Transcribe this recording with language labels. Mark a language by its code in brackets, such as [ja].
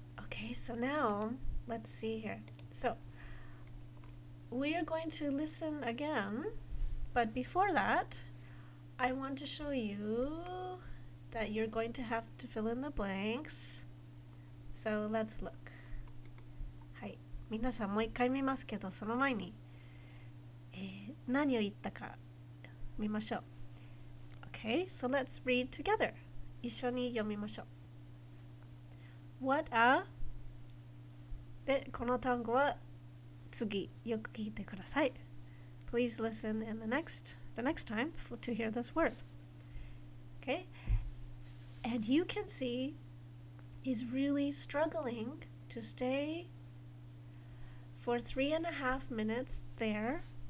[en] Okay, so now let's see here. So we are going to listen again, but before that, I want to show you that you're going to have to fill in the blanks. So let's look. [ja] はい、皆さんもう一回見ますけど、その前に、何を言ったか見ましょう。 [en] Okay, so let's read together. [ja] 一緒に読みましょう。 [en] What a... [ja] で、この単語は次、よく聞いてください。 [en] Please listen in the next time to hear this word. Okay? And you can see he's really struggling to stay for 3.5 minutes there.